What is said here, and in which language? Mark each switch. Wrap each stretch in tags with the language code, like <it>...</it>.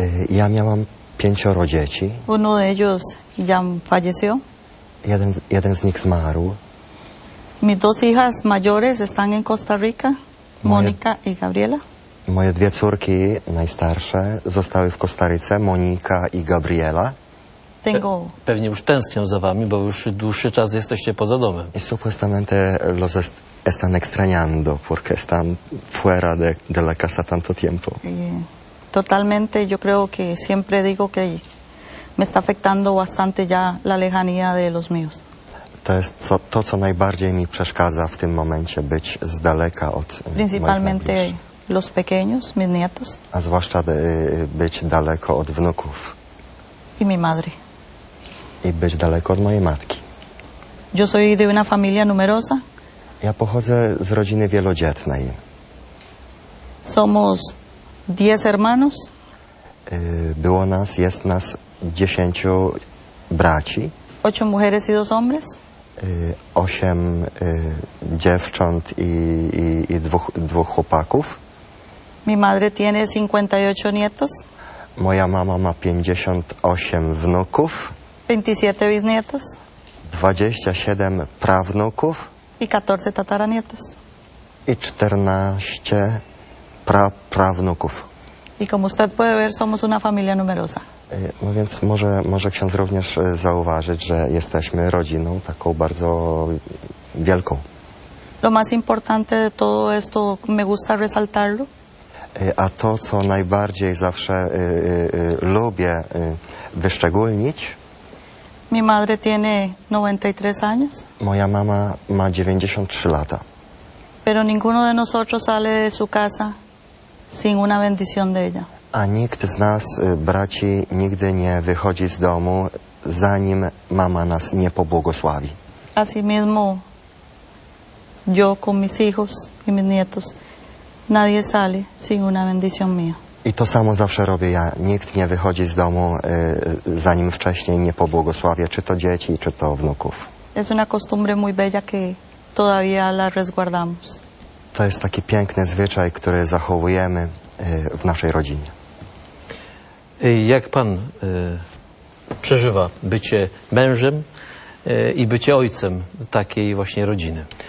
<pl>Ja miałam pięcioro dzieci.</pl> <es>Uno de ellos ya falleció.</es> <pl>Jeden z nich zmarł.</pl> <es>Mis dos hijas mayores están en Costa Rica, Mónica y Gabriela.</es> <pl>Moje dwie córki najstarsze zostały w Kostaryce, Monika i Gabriela. Pewnie już tęsknią za wami, bo już dłuższy czas jesteście poza domem.</pl> <es>Y supuestamente los están extrañando porque están fuera de la casa tanto tiempo. Totalmente, yo creo que siempre digo que me está afectando bastante ya la lejanía de los míos.</es> <pl>To jest to, co najbardziej mi przeszkadza w tym momencie, być z daleka od moich najbliższych.</pl> <es>Principalmente los pequeños, mis nietos.</es> <pl>A zwłaszcza być daleko od wnuków.</pl> <es>Y mi madre.</es> <pl>I być daleko od mojej matki.</pl> <es>Yo soy de una familia numerosa.</es> <pl>Ja pochodzę z rodziny wielodzietnej.</pl> <es>Somos 10 hermanos.</es> <pl>Było nas, jest nas 10 braci.</pl> <es>8 mujeres y 2 hombres.</es> <pl>8 dziewcząt i dwóch chłopaków.</pl> <es>Mi madre tiene 58 nietos.</es> <pl>Moja mama ma 58 wnuków.</pl> <es>27 bisnietos.</es> <pl>27 prawnuków.</pl> <es>I 14 tataranietos.</es> <pl>I 14 prawnuków.</pl> <es>I como usted puede ver, somos una familia numerosa.</es> <pl>No więc może ksiądz również zauważyć, że jesteśmy rodziną taką bardzo wielką.</pl> <es>Lo más importante de todo esto, me gusta resaltarlo.</es> <pl>A to, co najbardziej zawsze lubię wyszczególnić.</pl> <es>Mi madre tiene 93 años.</es> <pl>Moja mama ma 93 lata.</pl> <es>Pero ninguno de nosotros sale de su casa sin una bendición de ella.</es> <pl>A nikt z nas, braci, nigdy nie wychodzi z domu, zanim mama nas nie pobłogosławi.</pl> <es>Así mismo, yo con mis hijos y mis nietos, nadie sale sin una bendición mía.</es> <pl>I to samo zawsze robię ja. Nikt nie wychodzi z domu, zanim wcześniej nie pobłogosławię, czy to dzieci, czy to wnuków.</pl> <es>Es una costumbre muy bella que todavía la resguardamos.</es> <pl>To jest taki piękny zwyczaj, który zachowujemy w naszej rodzinie. Jak pan przeżywa bycie mężem i bycie ojcem takiej właśnie rodziny?</pl>